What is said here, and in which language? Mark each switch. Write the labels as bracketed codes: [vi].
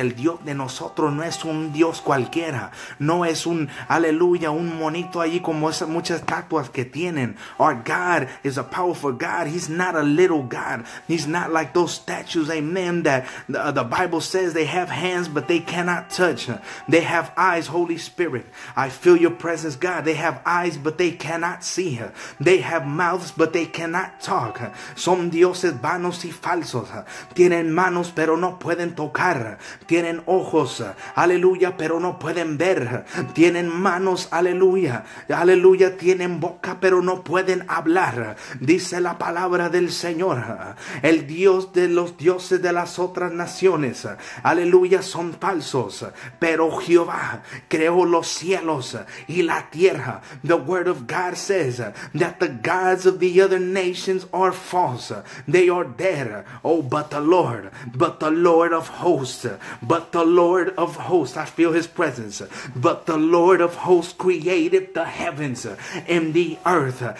[es] El Dios de nosotros no es un Dios cualquiera, no es un, aleluya, un monito allí como esas muchas estatuas que tienen. [en] Our God is a powerful God. He's not a little God. He's not like those statues, amen, that the Bible says they have hands but they cannot touch. They have eyes, Holy Spirit, I feel your presence, God. They have eyes but they cannot see. They have mouths but they cannot talk. [es] Son dioses vanos y falsos. Tienen manos pero no pueden tocar. Tienen ojos, aleluya, pero no pueden ver. Tienen manos, aleluya, aleluya. Tienen boca, pero no pueden hablar. Dice la palabra del Señor. El Dios de los dioses de las otras naciones, aleluya, son falsos. Pero Jehová creó los cielos y la tierra. [en] The word of God says that the gods of the other nations are false. They are there. Oh, but the Lord of hosts, but the Lord of hosts, I feel his presence. But the Lord of hosts created the heavens and the earth.